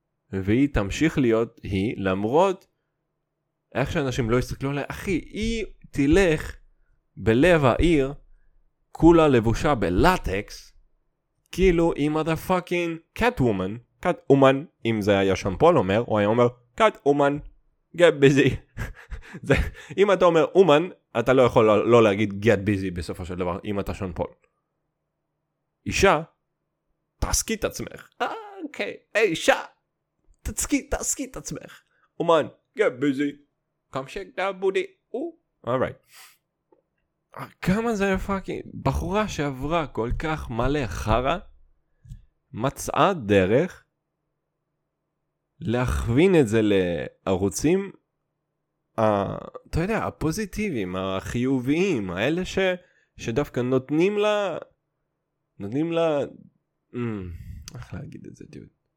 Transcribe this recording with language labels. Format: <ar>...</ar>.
<he>והיא תמשיך להיות היא, למרות איך שאנשים לא יסתכלו עליה, אחי, היא תלך בלב העיר, כולה לבושה בלטקס, כאילו היא</he> <en>motherfucking catwoman, catwoman,</en> <he>אם זה היה שם פול אומר, הוא היה אומר,</he> <en>catwoman, get busy.</en> <he>זה, אם אתה אומר woman, אתה לא יכול לא להגיד</he> <en>get busy</en> <he>בסופו של דבר, אם אתה שם פול. אישה, תעסקי את עצמך. אוקיי, אישה, תעסקי את עצמך.</he> <en>woman, get busy, come shake that booty. Alright.</en> <he>כמה זה פאקינג, בחורה שעברה כל כך מלא חרה, מצאה דרך להכווין את זה לערוצים, אתה יודע, הפוזיטיביים, החיוביים, האלה שדווקא נותנים לה, איך להגיד את זה, דוד?</he>